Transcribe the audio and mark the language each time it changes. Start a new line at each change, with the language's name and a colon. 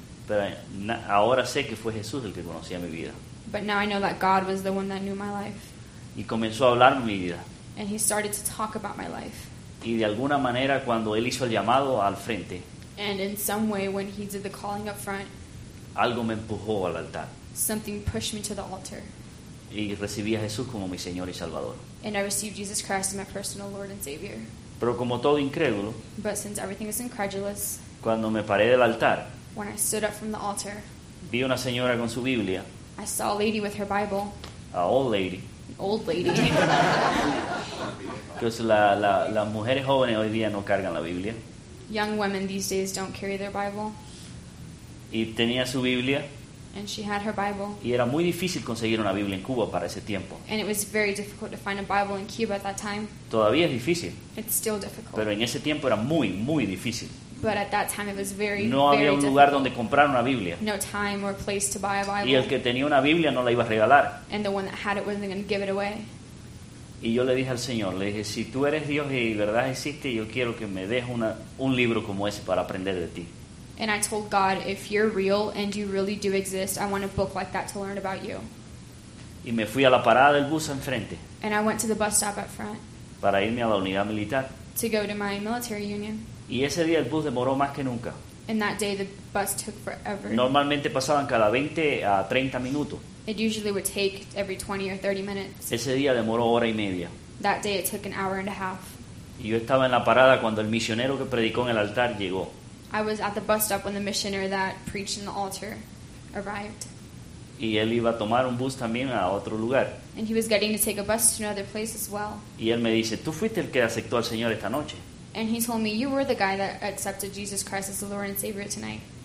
Spanish: Pero ahora sé que fue Jesús el que conocía mi vida.
English: But now I know that God was the one that knew my life.
Spanish: Y comenzó a hablar mi vida.
English: And he started to talk about my life.
Spanish: Y de alguna manera cuando él hizo el llamado al frente.
English: And in some way when he did the calling up front.
Spanish: Algo me empujó al altar.
English: Something pushed me to the altar.
Spanish: Y recibí a Jesús como mi Señor y Salvador.
English: And I received Jesus Christ as my personal Lord and Savior.
Spanish: Pero como todo incrédulo.
English: But since everything is incredulous.
Spanish: Cuando me paré del altar.
English: When I stood up from the altar.
Spanish: Vi una señora con su Biblia.
English: I saw a lady with her Bible. An old lady. Because
Spanish: las mujeres jóvenes hoy día no cargan la Biblia.
English: Young women these days don't carry their Bible.
Spanish: Y tenía su Biblia.
English: And she had her Bible.
Spanish: Y era muy difícil conseguir una Biblia en Cuba para ese tiempo.
English: And it was very difficult to find a Bible in Cuba at that time.
Spanish: Todavía es difícil.
English: It's still difficult.
Spanish: Pero en ese tiempo era muy, muy difícil.
English: But at that time it was very,
Spanish: no había
English: very
Spanish: un lugar
English: difficult.
Spanish: Donde comprar una Biblia.
English: No time or place to buy a Bible.
Spanish: Y el que tenía una Biblia no la iba a regalar.
English: And the one that had it wasn't going to give it away.
Spanish: Y yo le dije al Señor, le dije, si tú eres Dios y verdad existe, yo quiero que me dejes un libro como ese para aprender de ti.
English: And I told God, if you're real and you really do exist, I want a book like that to learn about you.
Spanish: Y me fui a la parada del bus enfrente.
English: And I went to the bus stop up front.
Spanish: Para irme a la unidad militar.
English: To go to my military union.
Spanish: Y ese día el bus demoró más que nunca.
English: And that day the bus took forever.
Spanish: Normalmente pasaban cada 20 a 30 minutos.
English: It usually would take every 20 or 30 minutes.
Spanish: Ese día demoró hora y media.
English: That day it took an hour and a half.
Spanish: Y yo estaba en la parada cuando el misionero que predicó en el altar llegó.
English: I was at the bus stop when the missioner that preached in the altar arrived.
Spanish: Y él iba a tomar un bus también a otro lugar.
English: And he was getting to take a bus to another place as well.
Spanish: Y él me dice, tú fuiste el que aceptó al Señor esta noche.
English: And he told me, you were the guy that accepted Jesus Christ as the Lord and Savior tonight.